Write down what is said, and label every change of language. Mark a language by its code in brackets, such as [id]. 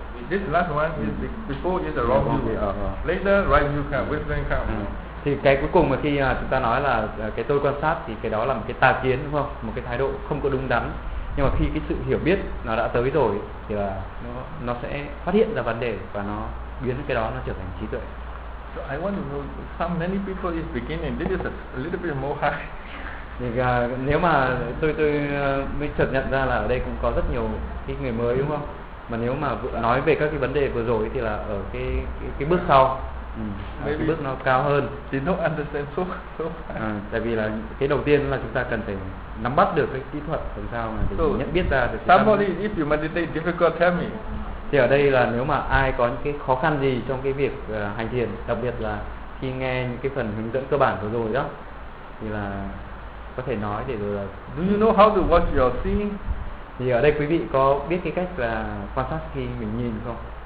[en] This last one is before is the wrong view. Later right view come, wisdom come. [vi] Thì cái cuối cùng mà khi chúng ta nói là cái tôi quan sát thì cái đó là một cái tà kiến, đúng không? Một cái thái độ không có đúng đắn. Nhưng mà khi cái sự hiểu biết nó đã tới rồi thì là nó sẽ phát hiện ra vấn đề và nó biến cái đó nó trở thành trí tuệ. [en] So I want to know some many people is beginning. This is a little bit more high. [vi] Thì nếu mà tôi mới chợt nhận ra là ở đây cũng có rất nhiều cái người mới, đúng không? Mà nếu mà nói về các cái vấn đề vừa rồi thì là ở cái bước sau. [en] Maybe [vi] cái bước nó cao hơn. [en] They don't understand so much. [vi] Tại vì là cái đầu tiên là chúng ta cần phải nắm bắt được cái kỹ thuật làm sao mà để nhận biết ra được. [en] Somebody, if you meditate difficult, tell me. [vi] Thì ở đây là nếu mà ai có những cái khó khăn gì trong cái việc hành thiền, đặc biệt là khi nghe những cái phần hướng dẫn cơ bản vừa rồi đó, thì là có thể nói để rồi là. [en] Do you know how to watch your seeing? [vi] Thì ở đây quý vị có biết cái cách là quan sát khi mình nhìn không?